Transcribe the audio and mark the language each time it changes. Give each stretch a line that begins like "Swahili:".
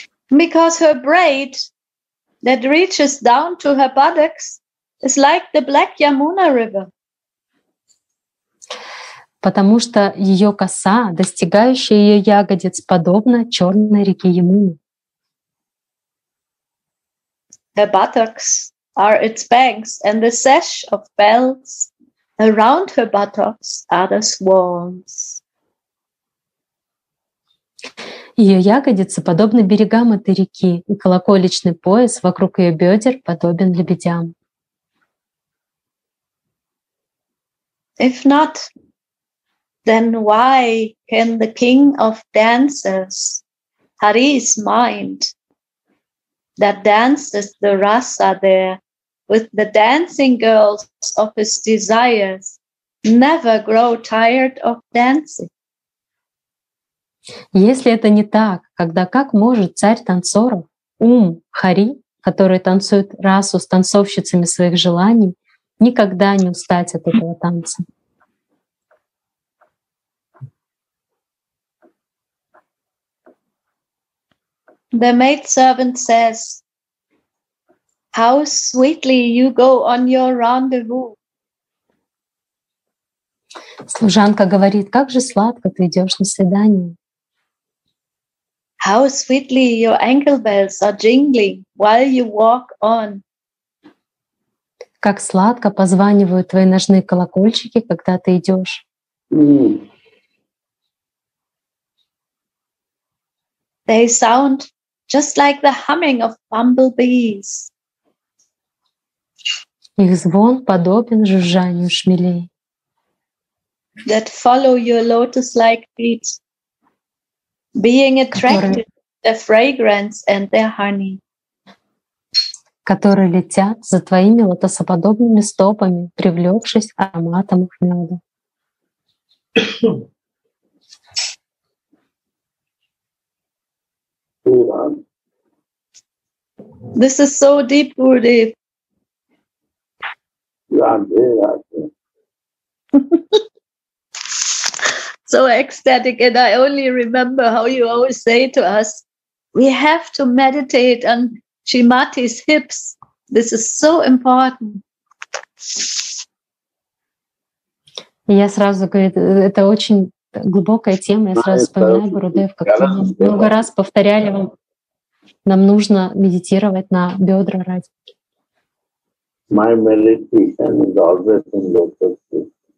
English: Because her braid that reaches down to her buttocks is like the Black Yamuna River.
Russian: Потому что ее коса, достигающая ее ягодиц, подобна черной реке Ямуны.
English: The buttocks are its banks, and the sash of bells around her buttocks are the swans.
Russian: Ее ягодицы подобны берегам этой реки, и колокольчатый пояс вокруг ее бедер подобен лебедям.
English: If not, then why can the king of dancers, Hari's mind, that dances the rasa there with the dancing girls of his desires, never grow tired of dancing?
Russian: Если это не так, когда как может царь танцоров, Хари, который танцует расу с танцовщицами своих желаний, никогда не устать от этого танца?
English: The maidservant says, "How sweetly you go on your rendezvous."
Russian: Служанка говорит, как же сладко ты идешь на свидание.
English: How sweetly your ankle bells are jingling while you walk on.
Russian: Как сладко позванивают твои ножные колокольчики, когда ты идешь.
English: They sound just like the humming of bumblebees.
Russian: Их звон подобен жужжанию шмелей.
English: That follow your lotus-like feet, being attracted to their fragrance and their honey.
Russian: Которые летят за твоими лотосоподобными стопами, привлекшись ароматом их меда.
English: This is so deep, Gurudev. So ecstatic, and I only remember how you always say to us, we have to meditate on Shrimati's hips. This is so important.
Russian: Я сразу говорю, это очень глубокая тема. Я сразу вспоминаю, Гурудев, как вы много раз повторяли вам. Нам нужно медитировать на бедра Радхики.
English: My meditation is always in lotus feet.